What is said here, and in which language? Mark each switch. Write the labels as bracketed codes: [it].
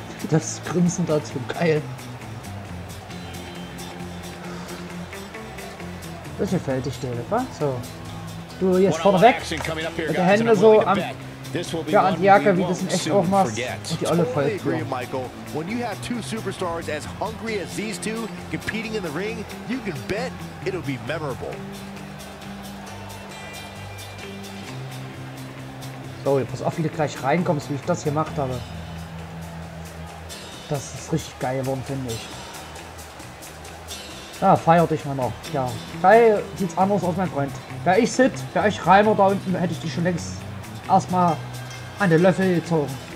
[de] Das Grinsen dazu, geil. Das gefällt dich, David, wa? So. Du, jetzt vorneweg, mit den Händen so an, ja, an die Jacke, wie das in echt auch machst, und die Olle voll früher. [en] Michael, when you have two superstars as hungry as these two competing in the ring, you can bet it'll be memorable. [de] So, pass auf, wie du gleich reinkommst, wie ich das gemacht habe. Das ist richtig geil geworden, finde ich. Ja, feier dich mal noch. Ja, geil sieht's anders aus, mein Freund. Wäre ich Sid, wäre ich Rainer da unten, hätte ich dich schon längst erstmal an den Löffel gezogen.